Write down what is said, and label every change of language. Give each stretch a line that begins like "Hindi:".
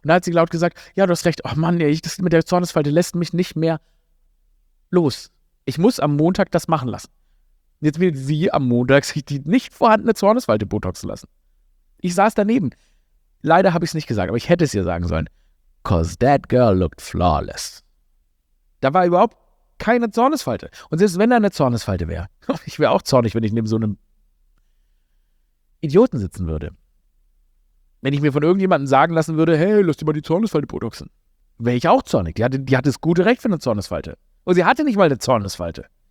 German: Und da hat sie laut gesagt, ja, du hast recht, oh Mann, das mit der Zornesfalte lässt mich nicht mehr los. Ich muss am Montag das machen lassen. Jetzt will sie am Montag sich die nicht vorhandene Zornesfalte botoxen lassen. Ich saß daneben. Leider habe ich es nicht gesagt, aber ich hätte es ihr sagen sollen.
English: 'Cause that girl looked flawless.
German: Da war überhaupt keine Zornesfalte. Und selbst wenn da eine Zornesfalte wäre, ich wäre auch zornig, wenn ich neben so einem Idioten sitzen würde. Wenn ich mir von irgendjemandem sagen lassen würde, hey, lass dir mal die Zornesfalte botoxen, wäre ich auch zornig. Die hatte das gute Recht für eine Zornesfalte. Und sie hatte nicht mal eine Zornesfalte.